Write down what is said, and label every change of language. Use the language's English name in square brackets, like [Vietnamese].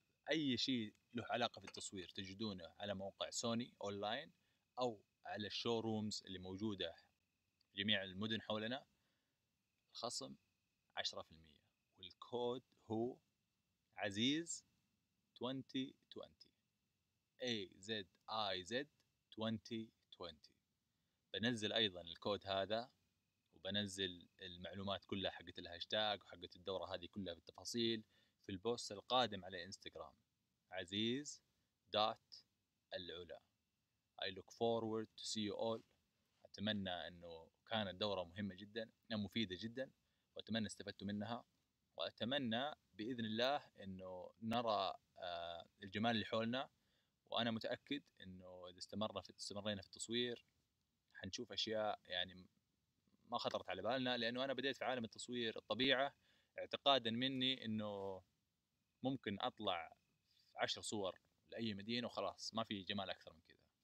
[Arabic] أي شيء له علاقة في التصوير تجدونه على موقع سوني أونلاين أو على الشورومز اللي موجودة في جميع المدن حولنا، الخصم 10%، والكود هو عزيز 2020 AZIZ 2020. بنزل أيضا الكود هذا وبنزل المعلومات كلها حقت الهاشتاج وحقت الدورة هذه كلها بالتفاصيل في البوست القادم على إنستغرام عزيز دوت العلا. [English] I look forward to see you all. [Arabic] أتمنى أنه كانت دورة مهمة جدا، مفيدة جدا، وأتمنى استفدت منها، وأتمنى بإذن الله أنه نرى الجمال اللي حولنا. وأنا متأكد أنه إذا استمرنا في التصوير حنشوف أشياء يعني ما خطرت على بالنا، لأنه أنا بديت في عالم التصوير الطبيعة اعتقادا مني أنه ممكن أطلع 10 صور لأي مدينة وخلاص، ما في جمال أكثر من كذا.